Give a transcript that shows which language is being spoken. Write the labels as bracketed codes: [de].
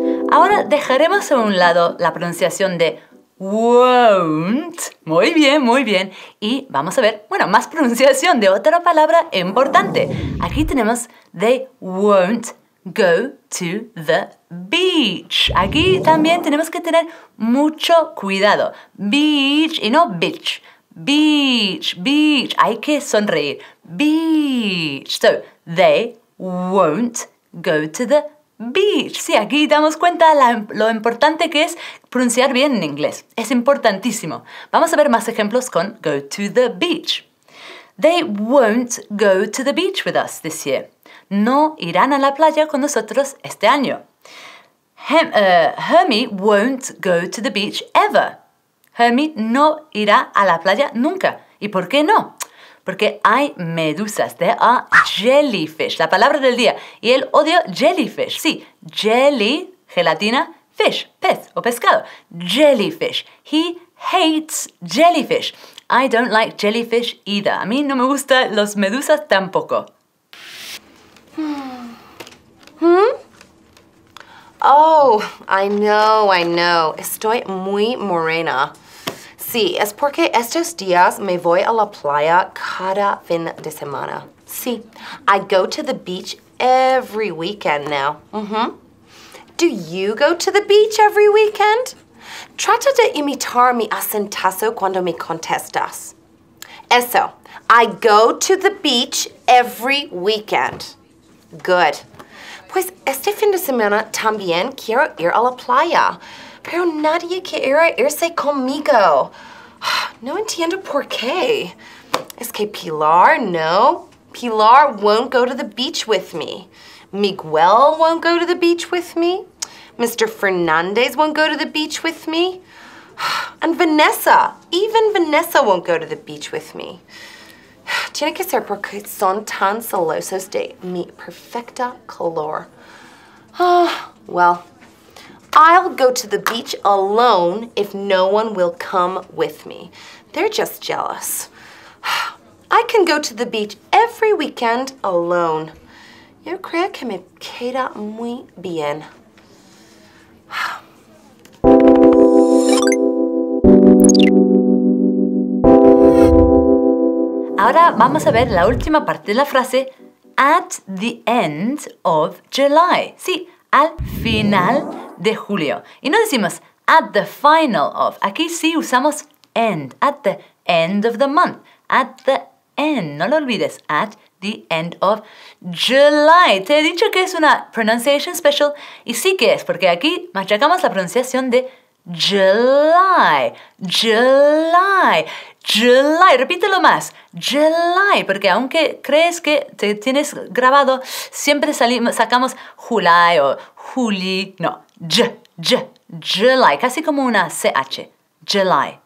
[es] Ahora dejaremos a un lado la pronunciación de won't. Muy bien, muy bien. Y vamos a ver, bueno, más pronunciación de otra palabra importante. Aquí tenemos [en] they won't go to the beach. [es] Aquí también tenemos que tener mucho cuidado. [en] Beach y no beach. Beach, beach. [es] Hay que sonreír. [en] Beach. So, they won't go to the beach. [es] Sí, aquí damos cuenta lo importante que es pronunciar bien en inglés. Es importantísimo. Vamos a ver más ejemplos con [en] go to the beach. They won't go to the beach with us this year. [es] No irán a la playa con nosotros este año. [en] Hermie won't go to the beach ever. [es] Hermie no irá a la playa nunca. ¿Y por qué no? Porque hay medusas, [en] there are jellyfish, [es] la palabra del día. Y él odia jellyfish, sí, jelly, gelatina, fish, pez o pescado. [en] Jellyfish, he hates jellyfish. I don't like jellyfish either. [es] A mí no me gustan los medusas tampoco. [en] Oh, I know, [es] estoy muy morena. Sí, es porque estos días me voy a la playa cada fin de semana. [en] Sí, I go to the beach every weekend now. Mm-hmm. Do you go to the beach every weekend? [es] Trata de imitar mi acentazo cuando me contestas. [en] Eso, I go to the beach every weekend. Good. [es] Pues este fin de semana también quiero ir a la playa. Pero nadie quiere irse conmigo. No entiendo por qué. Es que Pilar, no. [en] Pilar won't go to the beach with me. Miguel won't go to the beach with me. Mr. Fernandez won't go to the beach with me. And Vanessa, even Vanessa won't go to the beach with me. [es] Tiene que ser porque son tan celosos de mi perfecta color. [en] Oh, well, I'll go to the beach alone if no one will come with me. They're just jealous. I can go to the beach every weekend alone. [es] Yo creo que me queda muy bien. Ahora vamos a ver la última parte de la frase [en] at the end of July. [es] Sí, al final de julio. Y no decimos [en] at the final of. [es] Aquí sí usamos end, [en] at the end of the month. At the end, [es] no lo olvides, [en] at the end of July. [es] Te he dicho que es una pronunciation special y sí que es, porque aquí machacamos la pronunciación de July, July, July. Repítelo más, July, porque aunque crees que te tienes grabado, siempre sacamos July o Juli, no, J, J, July, casi como una CH, July.